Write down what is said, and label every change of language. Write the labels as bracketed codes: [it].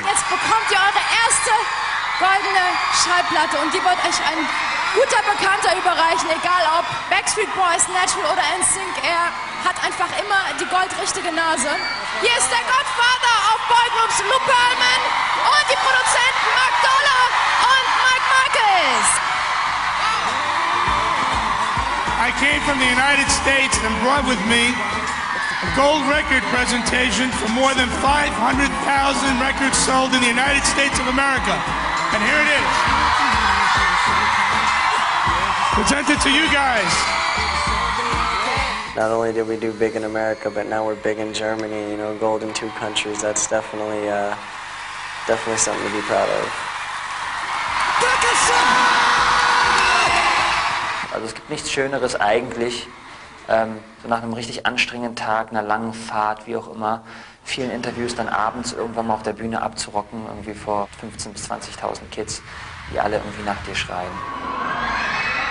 [de] Jetzt bekommt ihr eure erste goldene Schallplatte und die wird euch ein guter Bekannter überreichen, egal ob Backstreet Boys, Natural oder NSYNC, er hat einfach immer die goldrichtige Nase. Hier ist der Godfather auf Boygroups, Luke Perlman und die Produzenten Mark Dollar und Mike Michaels. [en] I came from the United States and brought with me a gold record presentation for more than 500,000 records sold in the United States of America. And here it is. Presented to you guys. Not only did we do big in America, but now we're big in Germany, you know, gold in 2 countries. That's definitely definitely something to be proud of. [de] Also es gibt nichts Schöneres eigentlich, so nach einem richtig anstrengenden Tag, einer langen Fahrt, wie auch immer, vielen Interviews dann abends irgendwann mal auf der Bühne abzurocken, irgendwie vor 15.000 bis 20.000 Kids, die alle irgendwie nach dir schreien.